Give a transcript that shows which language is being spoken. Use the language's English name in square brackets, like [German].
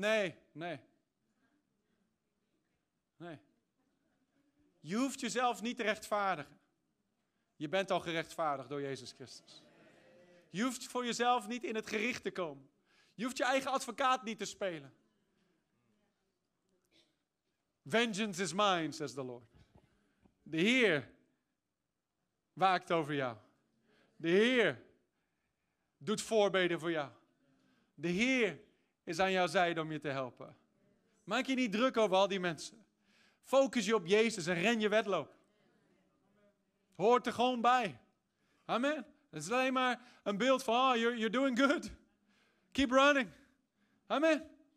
[Dutch] Nee. Je hoeft jezelf niet te rechtvaardigen. Je bent al gerechtvaardigd door Jezus Christus. Je hoeft voor jezelf niet in het gericht te komen. Je hoeft je eigen advocaat niet te spelen. [English] Vengeance is mine, says the Lord. [Dutch] De Heer waakt over jou. De Heer doet voorbeden voor jou. De Heer is aan jouw zijde om je te helpen. Maak je niet druk over al die mensen. Focus je op Jezus en ren je wedloop. Hoort er gewoon bij. Amen. Het is alleen maar een beeld van, [English] oh, you're doing good. Keep running. [Dutch] Amen.